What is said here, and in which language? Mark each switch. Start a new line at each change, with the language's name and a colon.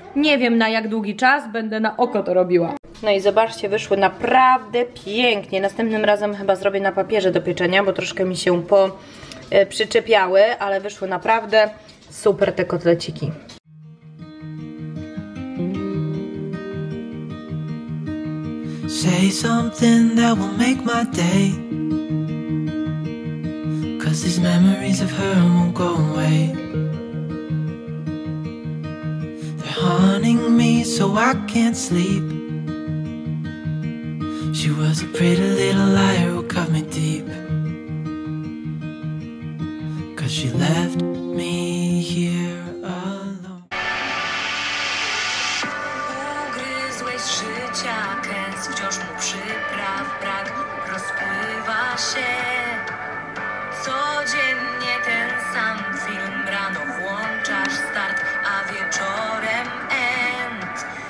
Polish: Nie wiem na jak długi czas, będę na oko to robiła. No i zobaczcie, wyszły naprawdę pięknie. Następnym razem chyba zrobię na papierze do pieczenia, bo troszkę mi się przyczepiały, ale wyszły naprawdę super te kotleciki.
English: Say something that will make my day. Cause these memories of her won't go away. They're haunting me so I can't sleep. She was a pretty little liar who cut me deep. Cause she left me here alone.
Polish: Ugryzłeś życia kęs, wciąż mu przypraw brak, rozpływa się. Codziennie ten sam film, rano włączasz start, a wieczorem end.